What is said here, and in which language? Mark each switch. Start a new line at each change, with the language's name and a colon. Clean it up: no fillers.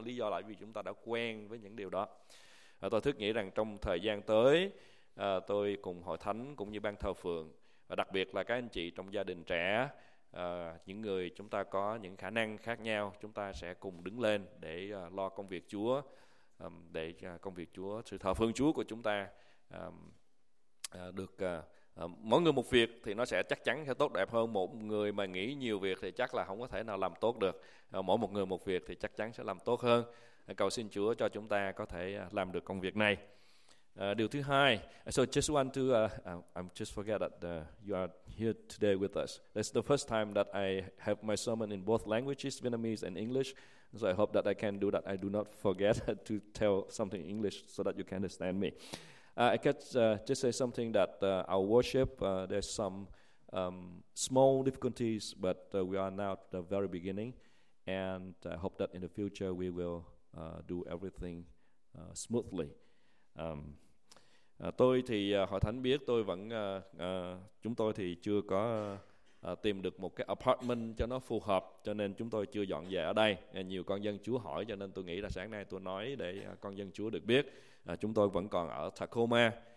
Vietnamese: Lý do là vì chúng ta đã quen với những điều đó. Tôi thức nghĩ rằng trong thời gian tới, tôi cùng hội thánh cũng như ban thờ phượng, và đặc biệt là các anh chị trong gia đình trẻ, những người chúng ta có những khả năng khác nhau, chúng ta sẽ cùng đứng lên để lo công việc Chúa, để công việc Chúa, sự thờ phượng Chúa của chúng ta được mỗi người một việc thì nó sẽ chắc chắn sẽ tốt đẹp hơn. Một người mà nghĩ nhiều việc thì chắc là không có thể nào làm tốt được. Mỗi một người một việc thì chắc chắn sẽ làm tốt hơn. Cầu xin Chúa cho chúng ta có thể làm được công việc này. Điều thứ hai,
English: so just want to, I just forget that you are here today with us. That's the first time that I have my sermon in both languages, Vietnamese and English. So I hope that I can do that. I do not forget to tell something in English so that you can understand me. I could just say something that our worship, there's some small difficulties, but we are now at the very beginning. And I hope that in the future we will do everything smoothly.
Vietnamese: Tôi thì hội thánh biết tôi vẫn chúng tôi thì chưa có tìm được một cái apartment cho nó phù hợp, cho nên chúng tôi chưa dọn về ở đây. Nhiều con dân Chúa hỏi, cho nên tôi nghĩ là sáng nay tôi nói để con dân Chúa được biết chúng tôi vẫn còn ở Tacoma,